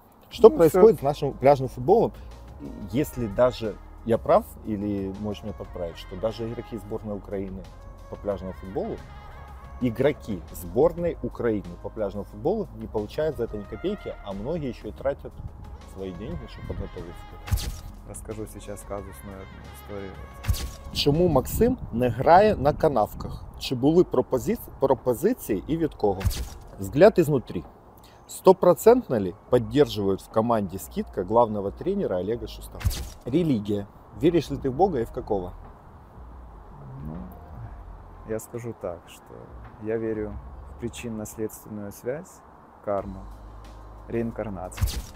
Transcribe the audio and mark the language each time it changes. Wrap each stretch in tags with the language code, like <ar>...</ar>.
<ru>Что происходит с нашим пляжным футболом, если даже я прав, или можешь меня поправить, что даже игроки сборной Украины по пляжному футболу, игроки сборной Украины по пляжному футболу не получают за это ни копейки, а многие еще и тратят свои деньги, чтобы подготовиться. Расскажу сейчас казусную историю.</ru> <uk>Чому Максим не грає на канавках? Чи були пропозиції і від кого?</uk> <ru>Взгляд изнутри. Стопроцентно ли поддерживают в команде скидка главного тренера Олега Шустова? Религия. Веришь ли ты в Бога и в какого? Я скажу так, что я верю в причинно-следственную связь, карму, реинкарнацию.</ru>